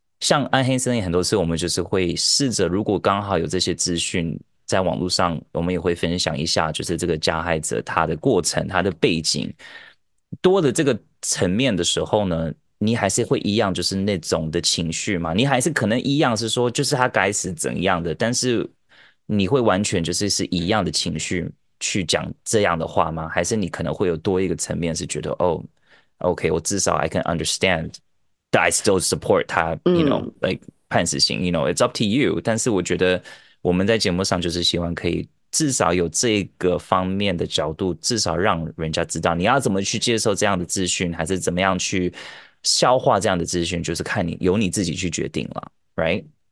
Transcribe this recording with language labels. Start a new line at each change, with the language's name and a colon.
Chinese: 像暗黑森林，很多次我们就是会试着，如果刚好有这些资讯在网络上，我们也会分享一下，就是这个加害者他的过程、他的背景多的这个层面的时候呢，你还是会一样，就是那种的情绪嘛，你还是可能一样是说，就是他该死怎样的，但是你会完全就是一样的情绪去讲这样的话吗？还是你可能会有多一个层面是觉得，哦，OK，我至少
English: I can understand。 I still support
Chinese: 他，
English: you know, like
Chinese: 判死刑，
English: you know, it's up to you。
Chinese: 但是我觉得我们在节目上就是希望可以至少有这个方面的角度，至少让人家知道你要怎么去接受这样的资讯，还是怎么样去消化这样的资讯，就是看你由你自己去决定了，right？